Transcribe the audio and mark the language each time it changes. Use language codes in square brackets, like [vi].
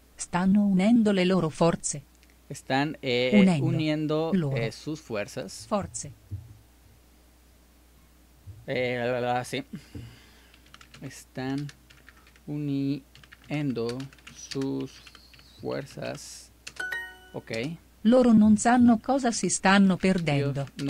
[it] Stanno unendo le loro forze. [es] Están uniendo loro sus fuerzas. [it] Forze. [es] Sí. Están uniendo sus fuerzas. Ok. [it] Loro non sanno cosa si stanno perdendo.